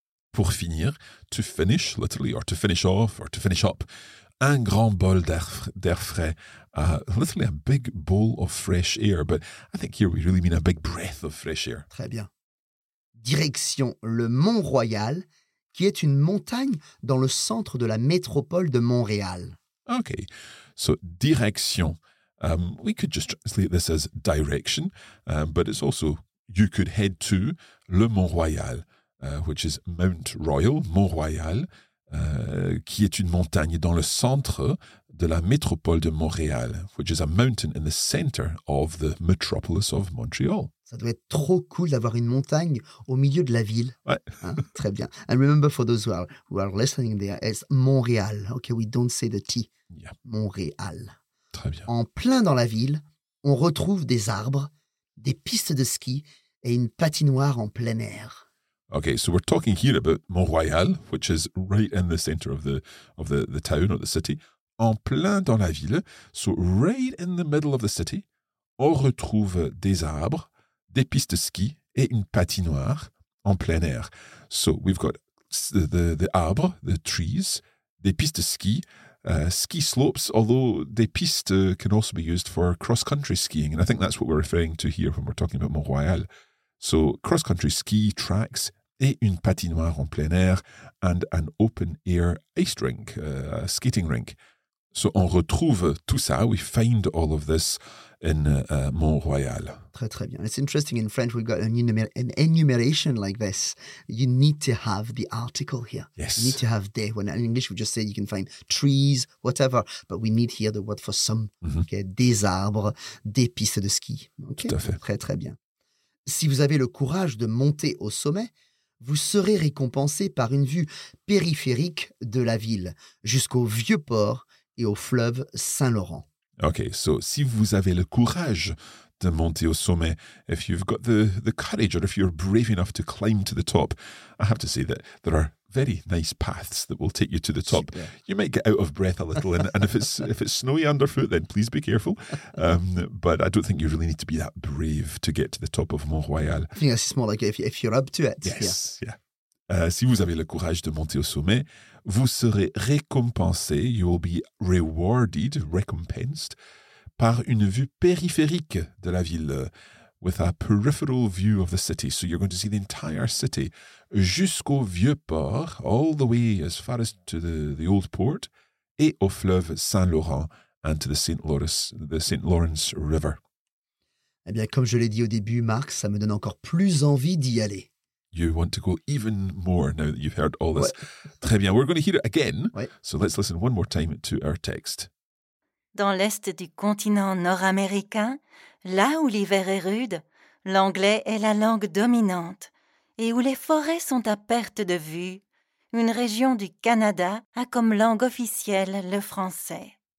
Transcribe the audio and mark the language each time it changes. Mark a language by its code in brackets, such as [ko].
[fr] Pour finir, [en] to finish, literally, or to finish off, or to finish up. [fr] Un grand bol d'air frais. [en] Literally, a big bowl of fresh air. But I think here we really mean a big breath of fresh air. [fr] Très bien. Direction le Mont-Royal, qui est une montagne dans le centre de la métropole de Montréal. [en] Okay, so direction. We could just translate this as direction, but it's also, you could head to le Mont-Royal, which is Mount Royal, Mont-Royal, [fr] qui est une montagne dans le centre de la métropole de Montréal, [en] which is a mountain in the center of the metropolis of Montreal. [fr] Ça doit être trop cool d'avoir une montagne au milieu de la ville. Ouais. Hein? Très bien. [en] And remember for those who are listening there, it's Montréal. Okay, we don't say the T. Yeah. Montréal. [fr] Très bien. En plein dans la ville, on retrouve des arbres, des pistes de ski et une patinoire en plein air. [en] Okay, so we're talking here about Mont-Royal, which is right in the center of the town or the city. [fr] En plein dans la ville, [en] so right in the middle of the city, [fr] on retrouve des arbres, des pistes de ski et une patinoire en plein air. [en] So we've got the arbres, the trees, [fr] des pistes de ski, [en] ski slopes, although [fr] des pistes [en] can also be used for cross-country skiing. And I think that's what we're referring to here when we're talking about Mont-Royal. So cross-country ski tracks [fr] et une patinoire en plein air [en] and an open-air ice rink, a skating rink. So [fr] on retrouve tout ça, [en] we find all of this in Mont-Royal. [fr] Très, très bien. [en] It's interesting, in French we've got an enumeration like this. You need to have the article here. Yes. You need to have des. When in English we just say you can find trees, whatever, but we need here the word for some. Mm-hmm. Okay. [fr] Des arbres, des pistes de ski. [en] Okay. [fr] Tout à fait. Très, très bien. Si vous avez le courage de monter au sommet, vous serez récompensé par une vue périphérique de la ville jusqu'au vieux port et au fleuve Saint-Laurent. [en] Okay, so [fr] si vous avez le courage de monter au sommet, [en] if you've got the courage or if you're brave enough to climb to the top, I have to say that there are very nice paths that will take you to the top. Super. You might get out of breath a little, and if it's snowy underfoot, then please be careful. But I don't think you really need to be that brave to get to the top of Mont-Royal. I think it's more like if you're up to it. Yes. [fr] Si vous avez le courage de monter au sommet, vous serez récompensé, [en] you will be rewarded, recompensed, [fr] par une vue périphérique de la ville, [en] with a peripheral view of the city. So you're going to see the entire city, [fr] jusqu'au vieux port, [en] all the way as far as to the old port, [fr] et au fleuve Saint-Laurent, [en] and to the St. Lawrence River. [fr] Eh bien, comme je l'ai dit au début, Marc, ça me donne encore plus envie d'y aller. [en] You want to go even more now that you've heard all this. [fr] Ouais. Très bien, [en] we're going to hear it again. [fr] Ouais. [en] So let's listen one more time to our text. [fr] Dans l'est du continent nord-américain, là où l'hiver est rude, l'anglais est la langue dominante et où les forêts sont à perte de vue, une région du Canada a comme langue officielle le français.